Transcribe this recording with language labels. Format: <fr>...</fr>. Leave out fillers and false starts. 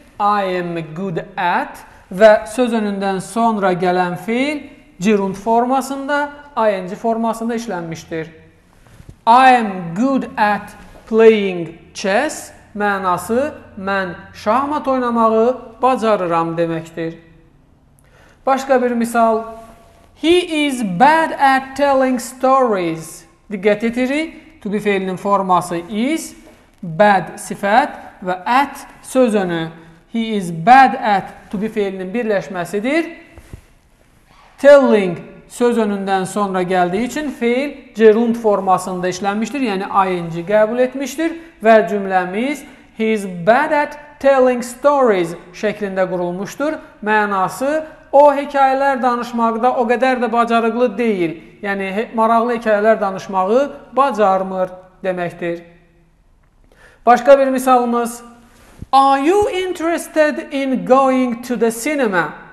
<en>I am good at</en> <az>və söz önündən sonra gələn feil gerund formasında, ing formasında işlənmişdir.</az> <en>I am good at playing chess</en> <az>mənası mən şahmat oynamağı bacarıram deməkdir. Başqa bir misal.</az> <en>He is bad at telling stories.</en> <az>Diqqət edirik, to be feilinin forması is, bad sifət və at söz önü.</az> <en>He is bad at</en> <az>to be feilinin birləşməsidir. Telling söz önündən sonra gəldiyi üçün feil gerund formasında işlənmişdir, yəni ing qəbul etmişdir və cümləmiz</az> <en>he is bad at telling stories</en> <az>şəklində qurulmuşdur. Mənası o hekayələr danışmaqda o qədər də bacarıqlı deyil, yəni maraqlı hekayələr danışmağı bacarmır deməkdir. Başqa bir misalımız.</az> <en>Are you interested in going to the cinema?</en>